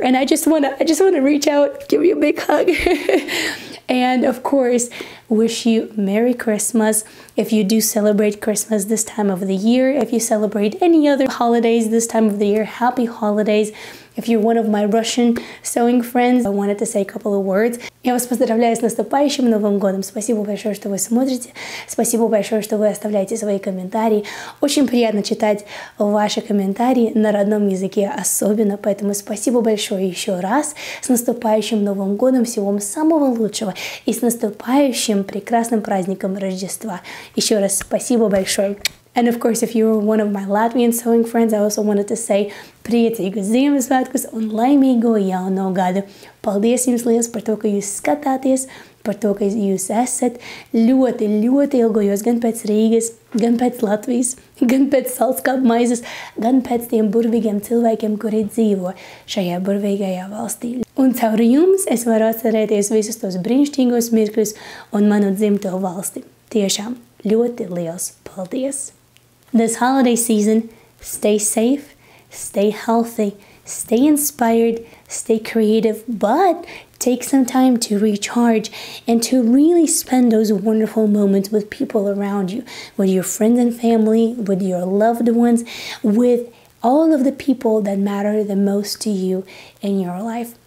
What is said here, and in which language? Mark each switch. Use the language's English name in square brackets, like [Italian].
[English] And I just want to reach out, give you a big hug. And of course, wish you Merry Christmas if you do celebrate Christmas this time of the year. If you celebrate any other holidays this time of the year, happy holidays. If you're one of my Russian sewing friends, I wanted to say a couple of words. [Russian] Я вас поздравляю с наступающим Новым годом. Спасибо большое, что вы смотрите. Спасибо большое, что вы оставляете свои комментарии. Очень приятно читать ваши комментарии на родном языке особенно. Поэтому спасибо большое еще раз. С наступающим Новым годом. Всего вам самого лучшего. И с наступающим прекрасным праздником Рождества. Еще раз спасибо большое. [English] And of course, if you were one of my Latvian sewing friends, I also wanted to say [Latvian] Priecīgus Ziemassvētkus un laimīgo jauno gadu. Paldies jums liels par to, ka jūs skatāties, par to, ka jūs esat ļoti, ļoti ilgojos gan pēc Rīgas, gan pēc Latvijas, gan pēc saldskābu maizes, gan pēc tiem burvīgiem cilvēkiem, kuri dzīvo šajā burvīgajā valstī. Un caur jums es varu atcerēties visus tos brīnišķīgos mirkļus un manu dzimto valsti. Tiešām ļoti liels paldies! [English] This holiday season, stay safe, stay healthy, stay inspired, stay creative, but take some time to recharge and to really spend those wonderful moments with people around you, with your friends and family, with your loved ones, with all of the people that matter the most to you in your life.